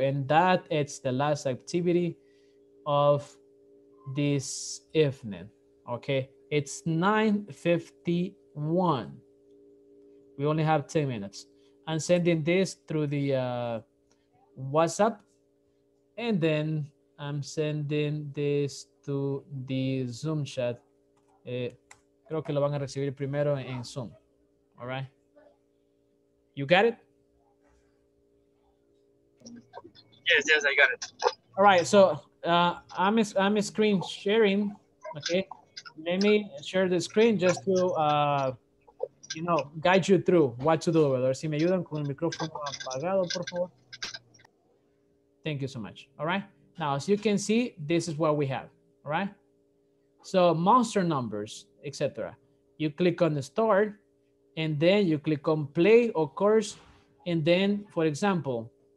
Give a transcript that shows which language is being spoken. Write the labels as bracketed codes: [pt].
[en] And that it's the last activity of this evening, okay? It's 9:51. We only have 10 minutes. I'm sending this through the WhatsApp, and then I'm sending this to the Zoom chat. [es] Creo que lo van a recibir primero en Zoom, [en] all right? You got it? Yes, yes, I got it. All right, so I'm screen sharing, okay? Let me share the screen just to, you know, guide you through what to do. [es] Si me ayudan con el micrófono apagado, por favor. [en] Thank you so much, all right? Now, as you can see, this is what we have, all right? So monster numbers, etc. You click on the start, and then you click on play or course, and then, for example,